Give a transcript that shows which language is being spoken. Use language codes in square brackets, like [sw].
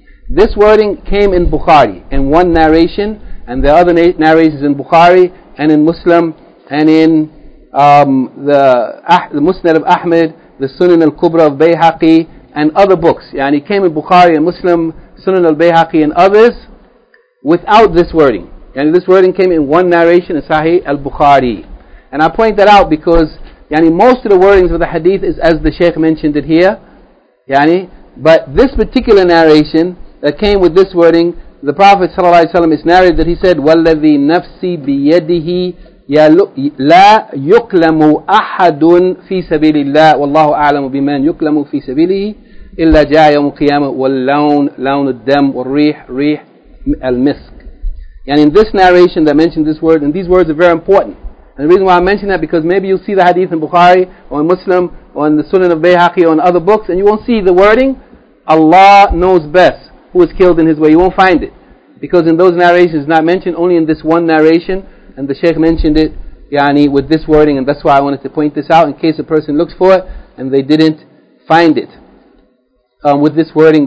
[en] This wording came in Bukhari, in one narration, and the other narrations in Bukhari, and in Muslim, and in the Musnad of Ahmed, the Sunan al-Kubra of Bayhaqi, and other books. And it came in Bukhari and Muslim, Sunan al-Bayhaqi and others, without this wording. And this wording came in one narration, in Sahih al-Bukhari. And I point that out because yani most of the wordings of the hadith is as the Shaykh mentioned it here. Yani, but this particular narration that came with this wording, the Prophet ﷺ is narrated that he said, [ar] وَالَّذِي نَفْسِي بِيَدِهِ لَا يُقْلَمُ أَحَدٌ فِي سَبِيلِ اللَّهِ وَاللَّهُ أَعْلَمُ بِمَنْ يُقْلَمُ فِي سَبِيلِهِ إِلَّا جَاءَ يَوْمُ الْقِيَامَةِ وَاللَّوْنُ لَوْنُ الدَّمِ وَالرِّيحُ رِيحُ الْمِسْكِ. [en] And in this narration that mentioned this word, and these words are very important. And the reason why I mention that, because maybe you'll see the hadith in Bukhari or in Muslim or in the Sunan of Bayhaqi or in other books, and you won't see the wording, Allah knows best who is killed in his way. You won't find it. Because in those narrations, it's not mentioned, only in this one narration. And the Shaykh mentioned it, yani, with this wording, and that's why I wanted to point this out, in case a person looks for it, and they didn't find it with this wording.